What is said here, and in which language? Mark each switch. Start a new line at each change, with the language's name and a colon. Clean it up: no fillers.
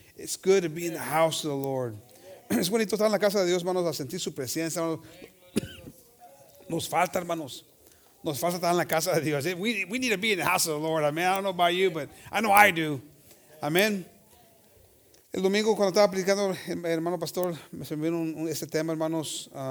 English: It's good to be in the house of the Lord.
Spanish: Es bonito estar en la casa de Dios, hermanos, a sentir su presencia. Nos falta, hermanos. Nos falta estar en la casa de Dios.
English: We need to be in the house of the Lord. Amen. I don't know about you, but I know I do. Amen.
Spanish: El domingo, cuando estaba predicando, hermano pastor, me se me vino este tema, hermanos.